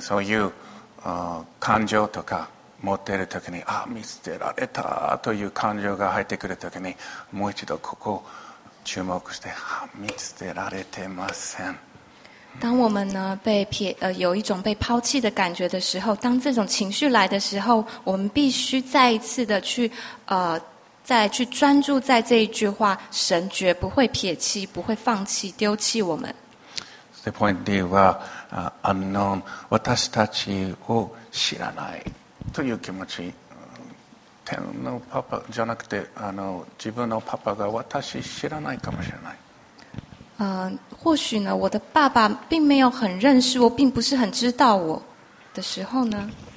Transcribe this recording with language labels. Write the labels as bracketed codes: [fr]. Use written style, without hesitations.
[ja] そういう感情とか持っているときに、見捨てられたという感情が入ってくるときに、もう一度ここを注目して、見捨てられてません。 [zh] 当我们呢被撇有一种被抛弃的感觉的时候，当这种情绪来的时候，我们必须再一次的去再去专注在这一句话：神绝不会撇弃，不会放弃，丢弃我们。 [en] The point D [ja] は、unknown、私たちを知らないという気持ち。天のパパじゃなくて、自分のパパが私知らないかもしれない。 [zh] 或许呢、我的爸爸并没有很认识我、并不是很知道我的时候呢。